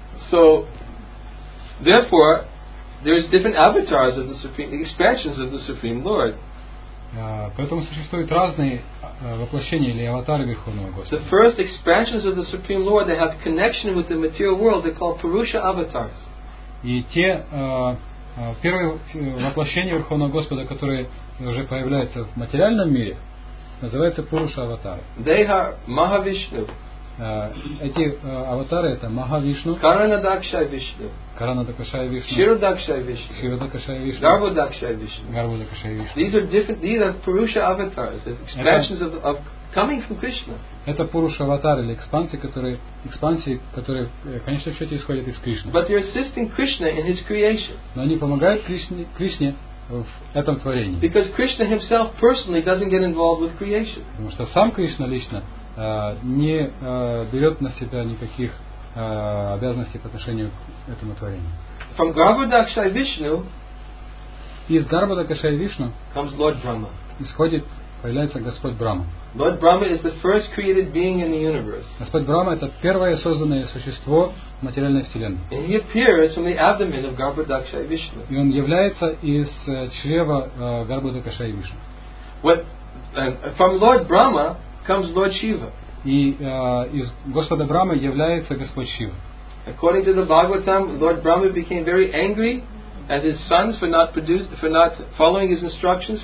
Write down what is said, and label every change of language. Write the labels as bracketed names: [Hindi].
[English] So, therefore, there is different avatars of the supreme expansions of the supreme Lord. [Russian] Поэтому существуют разные воплощения или аватары Верховного Господа. [English] The first expansions of the supreme Lord that have connection with the material world they call Purusha avatars. [Russian] И те первые воплощения Верховного Господа, которые уже появляются в материальном мире, называются Пуруша аватары. [English] They are Mahavishnu. [Russian] Эти аватары это Махавишну, Каранадакшая Вишну, Каранадакшая Вишну, Ширадакшая Вишну, Ширадакшая Вишну, Гарвадакшая Вишну, Гарвадакшая Вишну. [English] These are Пуруша аватары, expansions of coming from Krishna. [Russian] Это Пуруша аватары или экспансии, которые, в конечном счете, исходят из Кришны. [English] But they're assisting Krishna in his creation. [Russian] Но они помогают Кришне в этом творении. [English] Because Krishna himself personally doesn't get involved with creation. [Russian] Потому что сам Кришна лично не берет на себя никаких обязанностей по отношению к этому творению. [English] From Garbhodakshaya Vishnu, [Russian] из Garbhodakshaya Vishnu [English] comes Lord Brahma. [Russian] Исходит, появляется Господь Брахма. [English] Lord Brahma is the first created being in the universe. [Russian] Господь Брахма это первое созданное существо в материальной вселенной. [English] And he appears from the abdomen of Garbhodakshaya Vishnu. [Russian] И он является из чрева Garbhodakshaya Vishnu. [English] From Lord Brahma comes Lord Shiva. [Russian] И из Господа Брахмы является Господь Шива. [English] According to the Bhagavatam, Lord Brahma became very angry at his sons for not following his instructions.